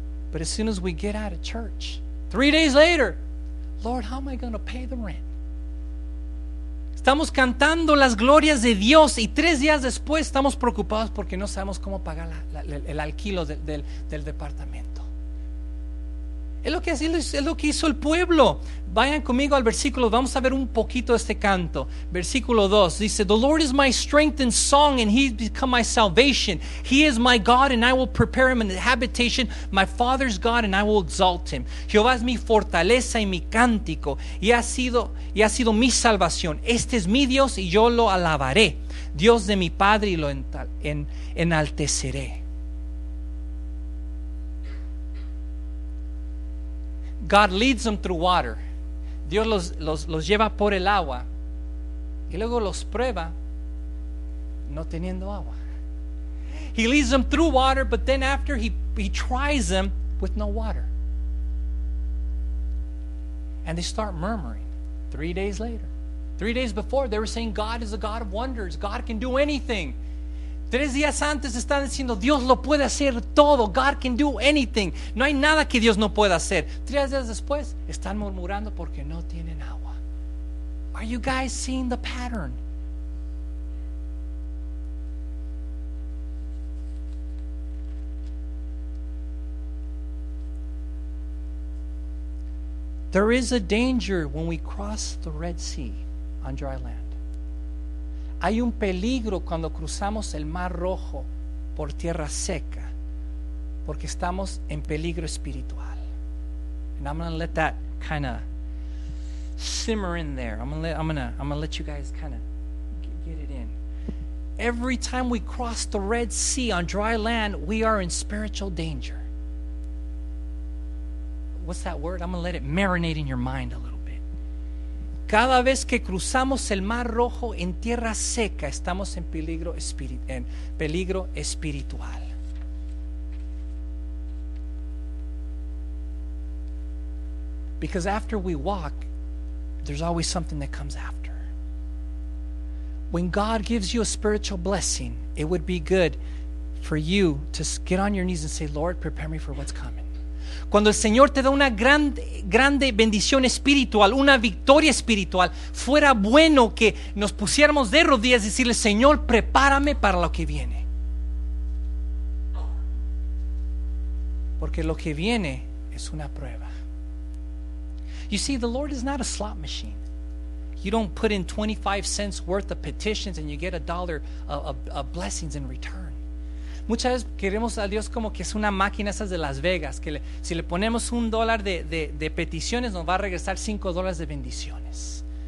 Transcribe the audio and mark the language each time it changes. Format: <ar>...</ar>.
<en>But as soon as we get out of church, 3 days later, Lord, how am I going to pay the rent?</en> <es>Estamos cantando las glorias de Dios y 3 días después estamos preocupados porque no sabemos cómo pagar el alquiler del departamento. Es lo que hizo el pueblo. Vayan conmigo al versículo, vamos a ver un poquito este canto. Versículo 2 dice:</es> <en>The Lord is my strength and song, and he's become my salvation. He is my God, and I will prepare him an habitation. My father's God, and I will exalt him.</en> <es>Jehová es mi fortaleza y mi cántico, y ha sido mi salvación. Este es mi Dios, y yo lo alabaré. Dios de mi padre, y lo enalteceré.</es> <en>God leads them through water.</en> <es>Dios los lleva por el agua y luego los prueba no teniendo agua.</es> <en>He leads them through water, but then after he tries them with no water. And they start murmuring 3 days later. 3 days before, they were saying God is a God of wonders. God can do anything.</en> <es>3 días antes están diciendo Dios lo puede hacer todo.</es> <en>God can do anything.</en> <es>No hay nada que Dios no pueda hacer. 3 días después están murmurando porque no tienen agua.</es> <en>Are you guys seeing the pattern? There is a danger when we cross the Red Sea on dry land.</en> <es>Hay un peligro cuando cruzamos el Mar Rojo por tierra seca, porque estamos en peligro espiritual.</es> <en>And I'm going to let that kind of simmer in there. I'm going to let you guys kind of get it in. Every time we cross the Red Sea on dry land, we are in spiritual danger. What's that word? I'm going to let it marinate in your mind a little.</en> <es>Cada vez que cruzamos el Mar Rojo en tierra seca, estamos en peligro espiritual.</es> <en>Because after we walk, there's always something that comes after. When God gives you a spiritual blessing, it would be good for you to get on your knees and say, Lord, prepare me for what's coming.</en> <es>Cuando el Señor te da una grande bendición espiritual, una victoria espiritual, fuera bueno que nos pusiéramos de rodillas y decirle, Señor, prepárame para lo que viene. Porque lo que viene es una prueba.</es> <en>You see, the Lord is not a slot machine. You don't put in 25 cents worth of petitions and you get a dollar of blessings in return.</en> <es>Muchas veces queremos a Dios como que es una máquina esas de Las Vegas, que si le ponemos $1 de peticiones nos va a regresar $5 de bendiciones.</es>